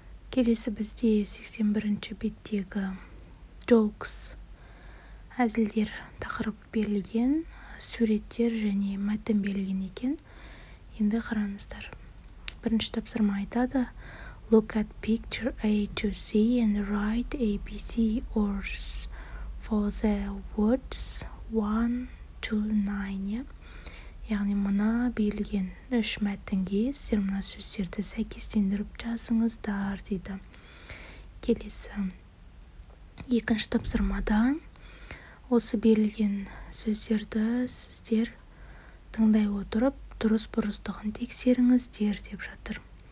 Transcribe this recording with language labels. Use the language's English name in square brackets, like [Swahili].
[Kazakh] Келесі бізде 81-ші беттегі jokes, әзілдер тақырып берілген, суреттер және мәтін берілген екен. Енді қараңыздар. Бірінші тапсырма айтады: [English] look at picture A to C and write A, B, C or S for the words 1-9. [Kazakh] Яғни мына берілген үш мәтінге сіздер мына сөздерді сәйкестендіріп жазыңыздар дейді. Келесі екінші тапсырмада осы берілген сөздерді сіздер тыңдай отырып, дұрыс бұрыстығын тексеріңіздер деп жатыр.